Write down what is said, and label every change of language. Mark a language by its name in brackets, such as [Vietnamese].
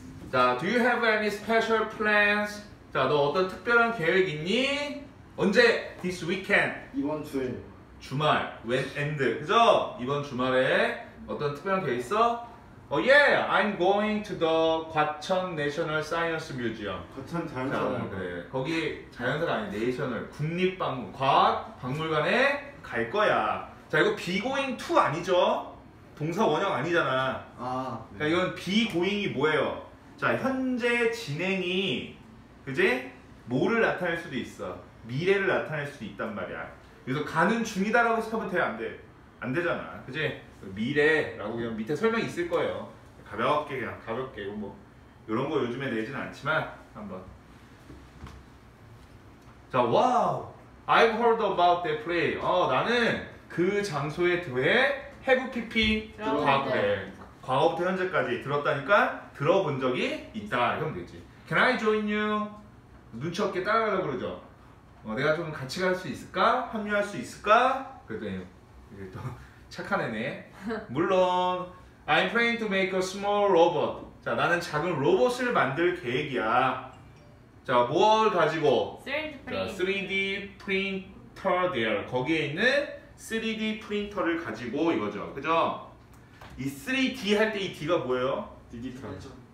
[English] 자, do you have any special plans? [Korean] 자, 너 어떤 특별한 계획 있니? 언제? [English] This weekend. [Korean] 이번 주에. 주말. [English] When end. [Korean] 그죠? 이번 주말에 어떤 특별한 계획 있어? [English] Oh, yeah, I'm going to the 과천 National Science Museum. [Korean] 과천 자연사관. 그래. 거기 자연사가 아니, 내셔널 국립박물관, 과학박물관에 갈 거야. 자, 이거 [English] be going to [Korean] 아니죠? 동사 원형 아니잖아. 아. 네. 자, 이건 [English] be going [Korean] 이 뭐예요? 자, 현재 진행이, 그지? 뭐를 나타낼 수도 있어. 미래를 나타낼 수도 있단 말이야. 그래서 가는 중이다라고 생각하면 돼, 안 돼. 안 되잖아. 그지? 미래라고 그냥 밑에 설명이 있을 거예요. 가볍게, 그냥 가볍게. 이거 뭐, 요런 거 요즘에 내진 않지만, 한번. 자, 와우! [English] I've heard about that place. [Korean] 어, 나는 그 장소에 대해 [English] have PP [Korean] 과거에. 과거부터 현재까지 들었다니까? 들어본 적이 있다 이러면 되지. [English] Can I join you? [Korean] 눈치 없게 따라가려고 그러죠. 어, 내가 좀 같이 갈 수 있을까? 합류할 수 있을까? 그랬더니 또 착한 애네. 물론 [English] I'm planning to make a small robot. [Korean] 자, 나는 작은 로봇을 만들 계획이야. 자, 뭘 가지고? 3D 프린터 [English] there. [Korean] 거기에 있는 3D 프린터를 가지고 이거죠. 그죠? 이 3D 할 때 이 D가 뭐예요? 디지털이죠.